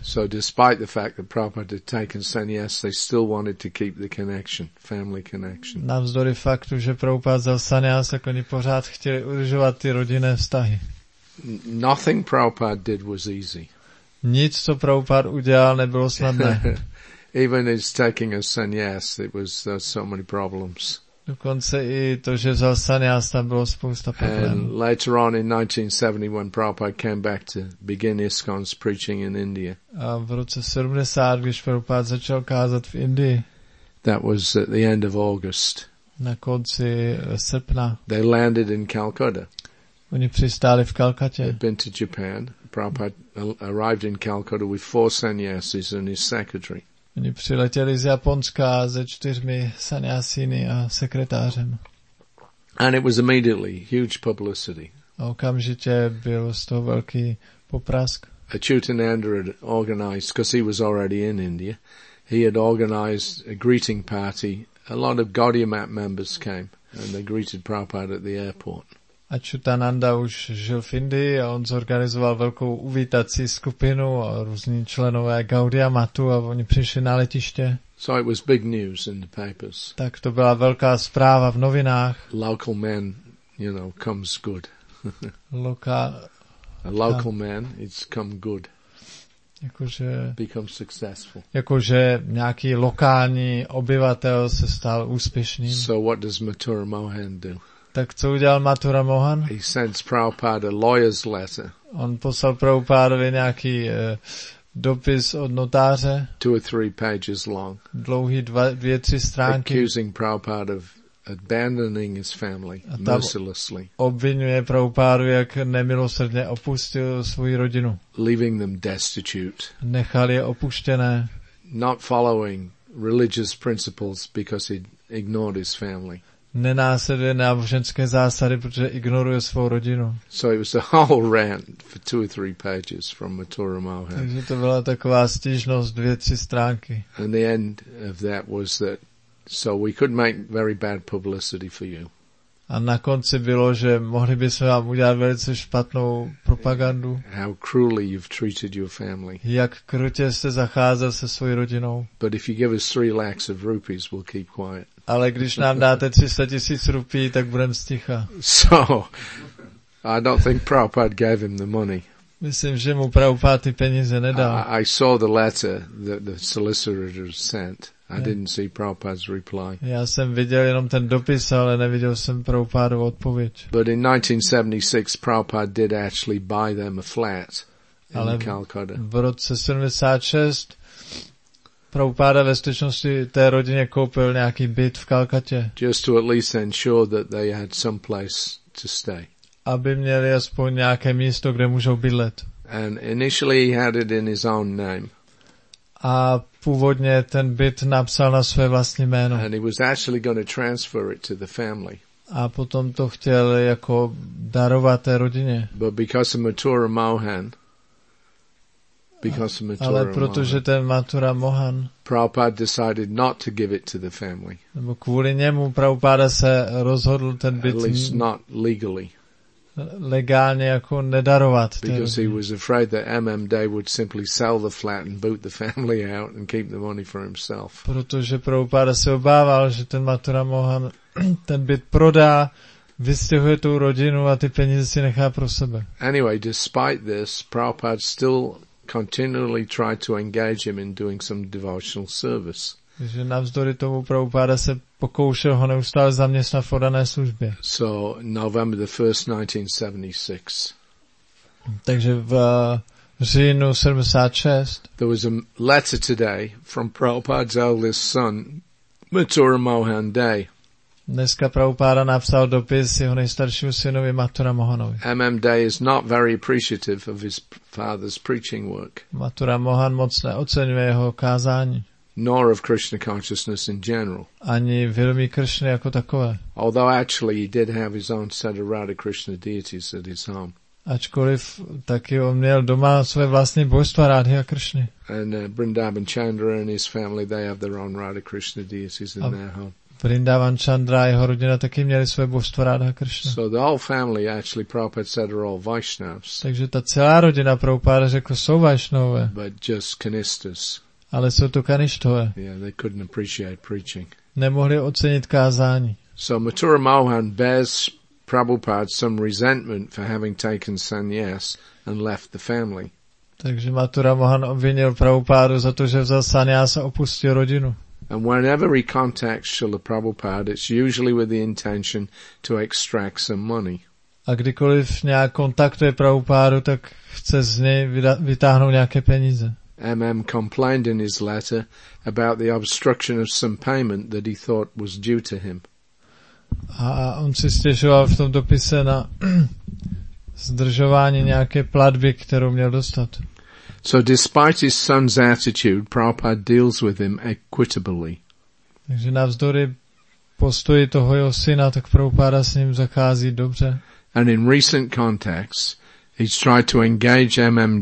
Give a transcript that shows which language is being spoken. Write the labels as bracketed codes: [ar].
[en] So despite the fact that Prabhupada had taken sannyas, they still wanted to keep the connection, family connection. [cs] Navzdory faktu, že Prabhupada vzal sannyas, tak oni pořád chtěli udržovat ty rodinné vztahy. [en] Nothing Prabhupada did was easy. [cs] Nic, co Prabhupada udělal, nebylo snadné. [en] Even his taking a sannyas, it was so many problems. [cs] Dokonce i to, že vzal sannyas, tam bylo spousta problémů. [en] And later on in 1970, when Prabhupada came back to begin ISKCON's preaching in India. [cs] A v roce 70, když Prabhupada začal kázat v Indii. [en] That was at the end of August. [cs] Na konci srpna. [en] They landed in Calcutta. [cs] Oni přistáli v Kalkatě. [en] They'd been to Japan. Prabhupada arrived in Calcutta with four sannyasis and his secretary. [cs] Oni přiletěli z Japonska se čtyřmi sannyasíny a sekretářem. [en] And it was immediately huge publicity. [cs] A okamžitě byl z toho velký poprask. [en] Achyutananda had organized, because he was already in India, he had organized a greeting party. A lot of Gaudiya Mat members came and they greeted Prabhupada at the airport. [cs] Achyutananda už žil v Indii a on zorganizoval velkou uvítací skupinu a různí členové Gaudiya Matu a oni přišli na letiště. [en] So it was big news in the papers. [cs] Tak to byla velká zpráva v novinách. [en] Local man, you know, comes good. A local man, it's come good. [cs] Jakože, [en] become successful. [cs] Jakože nějaký lokální obyvatel se stal úspěšným. [en] So what does Mathura Mohan do? [cs] Tak co udělal Mathura Mohan? [en] He sends Prabhupada a lawyer's letter. [cs] On poslal Prabhupádovi nějaký dopis od notáře. [en] Two or three pages long. [cs] Dlouhý dvě, tři stránky. [en] Accusing Prabhupada of abandoning his family mercilessly. [cs] Obvinuje Prabhupádu, jak nemilosrdně opustil svoji rodinu. [en] Leaving them destitute. [cs] Nechal je opuštěné. [en] Not following religious principles because he ignored his family. [cs] Nenásleduje náboženské zásady, protože ignoruje svou rodinu. [en] So it was a whole rant for two or three pages from Mathura Mohan. [cs] Takže to byla taková stížnost dvě, tři stránky. [en] And the end of that was that, so we could make very bad publicity for you. [cs] A na konci bylo, že mohli bychom vám udělat velice špatnou propagandu. [en] How cruelly you've treated your family. [cs] Jak krutě jste zacházel se svojí rodinou. [en] But if you give us 3 lakhs of rupees, we'll keep quiet. [cs] Ale když nám dáte 300 tisíc rupí, tak budeme sticha. [en] So, I don't think Prabhupada gave him the money. [cs] Myslím, že mu Prabhupada ty peníze nedal. [en] I saw the letter that the solicitor sent. I didn't see Prabhupada's reply. [cs] Já jsem viděl jenom ten dopis, ale neviděl jsem Prabhupádovu odpověď. [en] But in 1976, Prabhupada did actually buy them a flat in Calcutta. [cs] V roce 76 Prabhupáda ve skutečnosti té rodině koupil nějaký byt v Kalkatě. [en] Just to at least ensure that they had some place to stay. [cs] Aby měli aspoň nějaké místo, kde můžou bydlet. [en] And initially he had it in his own name. [cs] A původně ten byt napsal na své vlastní jméno. [en] And he was actually going to transfer it to the family. [cs] A potom to chtěl jako darovat té rodině. [en] But because of Mathura Mohan, because of Mathura [cs] ale protože [en] Mohan, [cs] ten Mathura Mohan, [en] Prabhupada decided not to give it to the family. [cs] Nebo kvůli němu Prabhupada se rozhodl ten byt. [en] At least not legally. [cs] Legálně jako nedarovat. [en] Because he was afraid that M.M. Day would simply sell the flat and boot the family out and keep the money for himself. [cs] Protože Prabhupada se obával, že ten Mathura Mohan ten byt prodá, vystěhuje tu rodinu a ty peníze si nechá pro sebe. [en] Anyway, despite this, Prabhupada still continually tried to engage him in doing some devotional service. [cs] Že navzdory tomu Prabhupada se pokoušel ho neustále zaměstnat v oddané službě. [en] So, November the 1st, 1976. [cs] Takže v říjnu 76. [en] There was a letter today from Prabhupada's eldest son, Mathura Mohan Day. [cs] Dneska Prabhupada napsal dopis jeho nejstaršímu synovi Mathura Mohanovi. [en] M.M. Day is not very appreciative of his father's preaching work. [cs] Mathura Mohan moc neocenuje jeho kázání. [en] Nor of Krishna consciousness in general. [cs] Ani vědomí Krishny jako takové. [en] Although actually he did have his own set of Radha Krishna deities at his home. [cs] Ačkoliv taky on měl doma své vlastní božstva Radha Krishny. [en] And Vrindavan Chandra and his family, they have their own Radha Krishna deities in their home. [cs] Vrindavan Chandra a jeho rodina taky měli své božstva Radha Krishna. [en] So the whole family actually, Prabhupada said, are all Vaishnavs. [cs] Takže ta celá rodina Prabhupada řekl, jsou Vaishnové. [en] But just Kanistas. [cs] Ale jsou to kaništové. [en] Yeah, they couldn't appreciate preaching. [cs] Nemohli ocenit kázání. [en] So Mathura Mohan bears Prabhupada some resentment for having taken sannyas and left the family. [cs] Takže Mathura Mohan obvinil Prabhupádu za to, že vzal sannyas a opustil rodinu. [en] And whenever he contacts Srila Prabhupada, it's usually with the intention to extract some money. [cs] A kdykoliv nějak kontaktuje Prabhupádu, tak chce z něj vytáhnout nějaké peníze. [en] M.M. complained in his letter about the obstruction of some payment that he thought was due to him. [cs] A on si stěžoval v tom dopise na zdržování nějaké platby, kterou měl dostat. [en] So despite his son's attitude, Prabhupada deals with him equitably. [cs] Takže navzdory postoji toho jeho syna, tak Prabhupada s ním zachází dobře. [en] And in recent contacts, he's tried to engage M.M.